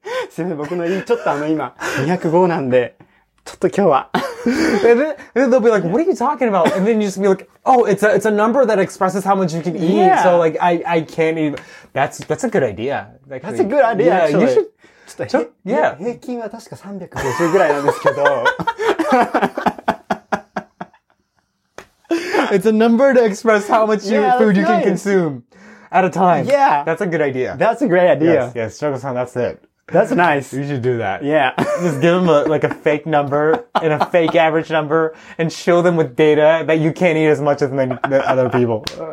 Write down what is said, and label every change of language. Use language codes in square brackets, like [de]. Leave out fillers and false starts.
[ja] すいません, 僕の胃ちょっと今205なんで, ちょっと今日は. [en] And then they'll be like, what are you talking about? And then you just be like, oh, it's a number that expresses how much you can eat. Yeah. So like, I can't even. That's a good idea. Actually. That's a good idea, yeah, actually. You should. Yeah. [ja] 平均は確か350ぐらいなんですけど。 [en] It's a number to express how much food you can consume at a time. Yeah. That's a good idea. That's a great idea. Yes, Choko-san, that's it. That's nice. You should do that. Yeah. Just give them a fake number and a fake average number and show them with data that you can't eat as much as many other people.